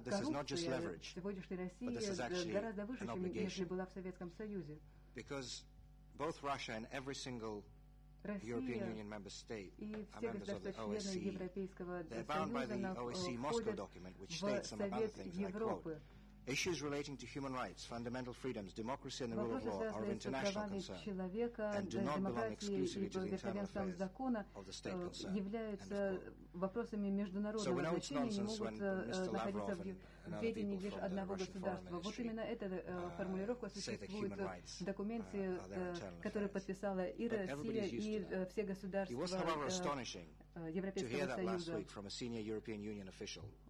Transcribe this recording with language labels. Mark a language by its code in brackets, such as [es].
[ru] в сегодняшней России гораздо выше, чем если была в Советском Союзе. Россия и все государства-члены Европейского Союза находят в Совет Европы. [en] Issues relating to human rights, fundamental freedoms, democracy and the rule of law are of international concern and do not belong exclusively to the internal affairs of the state concern. [ru] Являются вопросами международного значения, не могут находиться в ведении лишь одного государства. Вот именно эта формулировка существует в документе, который подписала и Россия, и все государства Европейского Союза.